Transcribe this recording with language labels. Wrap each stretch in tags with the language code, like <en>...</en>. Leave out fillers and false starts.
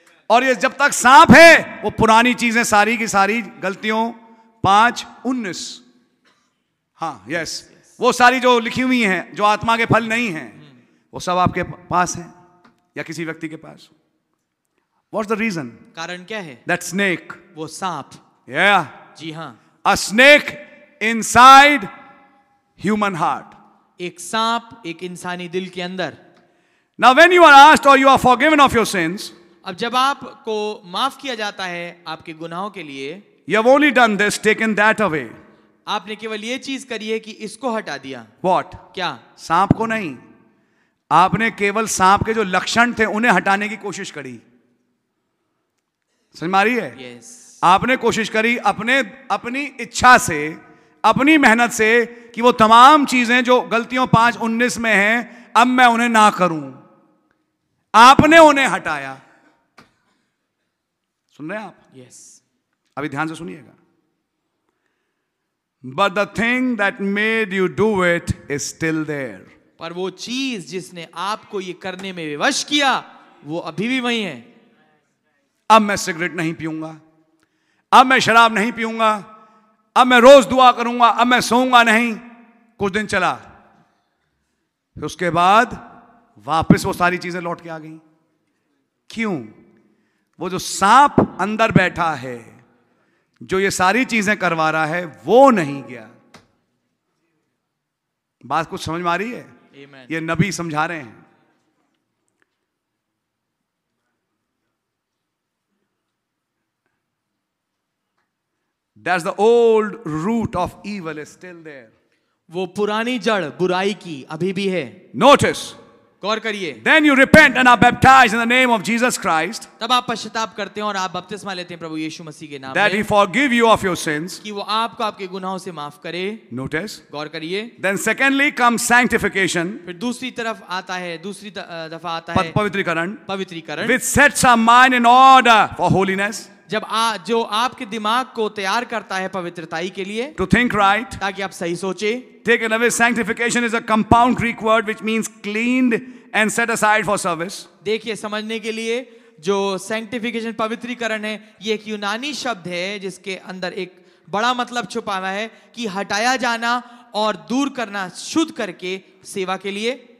<hi>और ये जब तक सांप है वो पुरानी चीजें सारी की सारी, गलतियों 5:19, हाँ, यस, वो सारी जो लिखी हुई हैं, जो आत्मा के फल नहीं है, वो सब आपके पास है या किसी व्यक्ति के पास.</hi> <en>What's the reason?</en> <hi>कारण क्या है?</hi> <en>That snake.</en> <hi>वो सांप.</hi> <en>Yeah.</en> <hi>जी हाँ.</hi> <en>A snake inside human heart.</en> <hi>एक सांप एक इंसानी दिल के अंदर.</hi> <en>Now when you are asked or you are forgiven of your sins.</en> <hi>अब जब आपको माफ किया जाता है आपके गुनाहों के लिए.</hi> <en>You have only done this, taken that away.</en> <hi>आपने केवल ये चीज करी है कि इसको हटा दिया.</hi> <en>What?</en> <hi>क्या? सांप को नहीं. आपने केवल सांप के जो लक्षण थे उन्हें हटाने की कोशिश करी. समझ मारी है?</hi> <en>Yes.</en> <hi>आपने कोशिश करी अपने अपनी इच्छा से, अपनी मेहनत से, कि वो तमाम चीजें जो गलतियों 5:19 में हैं, अब मैं उन्हें ना करूं. आपने उन्हें हटाया. सुन रहे हैं आप?</hi> <en>Yes.</en> <hi>अभी ध्यान से सुनिएगा.</hi> <en>But the thing that made you do it is still there.</en> <hi>पर वो चीज जिसने आपको ये करने में विवश किया वो अभी भी वही है। अब मैं सिगरेट नहीं पीऊंगा, अब मैं शराब नहीं पीऊंगा, अब मैं रोज दुआ करूंगा, अब मैं सोऊंगा नहीं। कुछ दिन चला, उसके बाद वापस वो सारी चीजें लौट के आ गई। क्यों? वो जो सांप अंदर बैठा है, जो ये सारी चीजें करवा रहा है, वो नहीं गया। बात कुछ समझ में आ रही है?</hi> <en>Amen.</en> <hi>ये नबी समझा रहे हैं।</hi> <en>That's the old root of evil is still there.</en> <hi>वो पुरानी जड़ बुराई की अभी भी है।</hi> <en>Notice.</en> <hi>गौर करिए।</hi> <en>Then you repent and are baptized in the name of Jesus Christ.</en> <hi>तब आप पश्चाताप करते हैं और आप बपतिस्मा लेते हैं प्रभु यीशु मसीह के नाम में।</hi> <en>That he forgive you of your sins.</en> <hi>कि वो आपको आपके गुनाहों से माफ करे।</hi> <en>Notice.</en> <hi>गौर करिए।</hi> <en>Then secondly comes sanctification.</en> <hi>फिर दूसरी तरफ आता है, दूसरी दफा आता है। पवित्रीकरण। पवित्रीकरण।</hi> <en>Which sets our mind in order for holiness.</en> <hi>जब जो आपके दिमाग को तैयार करता है पवित्रताई के लिए,</hi> <en>to think right,</en> <hi>ताकि आप सही सोचे।</hi> <en>Take away, sanctification is a compound Greek word which means cleaned and set aside for service.</en> <hi>देखिए, समझने के लिए, जो सैंक्टिफिकेशन पवित्रीकरण है, ये एक यूनानी शब्द है जिसके अंदर एक बड़ा मतलब छुपा हुआ है, कि हटाया जाना और दूर करना, शुद्ध करके सेवा के लिए।</hi>